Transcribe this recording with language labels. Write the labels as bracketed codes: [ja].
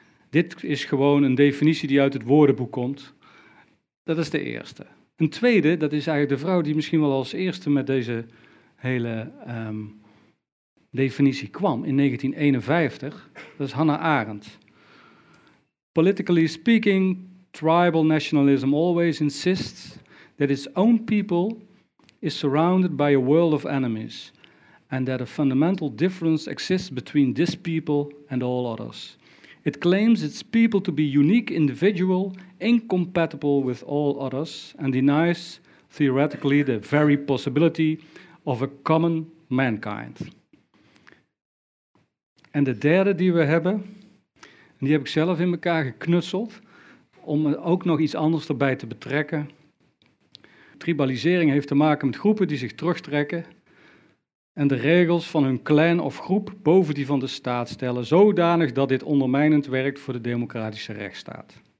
[nl] Dit is gewoon een definitie die uit het woordenboek komt. Dat is de eerste. Een tweede, dat is eigenlijk de vrouw die misschien wel als eerste met deze hele definitie kwam in 1951. Dat is Hannah Arendt. [en] Politically speaking, tribal nationalism always insists that its own people is surrounded by a world of enemies and that a fundamental difference exists between this people and all others. It claims its people to be unique individual, incompatible with all others, and denies theoretically the very possibility of a common mankind. [nl] En de derde die we hebben, die heb ik zelf in elkaar geknutseld om ook nog iets anders erbij te betrekken. Tribalisering heeft te maken met groepen die zich terugtrekken en de regels van hun clan of groep boven die van de staat stellen, zodanig dat dit ondermijnend werkt voor de democratische rechtsstaat.